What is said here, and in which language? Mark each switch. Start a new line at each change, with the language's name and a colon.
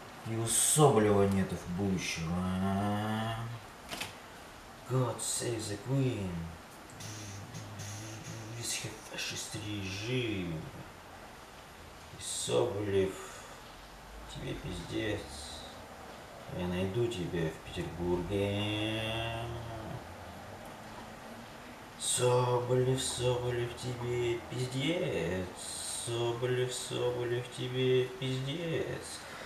Russian: И у Соболева нету будущего.
English: God save the Queen. This is her fascist regime.
Russian: Соболев, тебе пиздец, я найду тебя в Петербурге. Соболев, тебе пиздец, Соболев, тебе пиздец.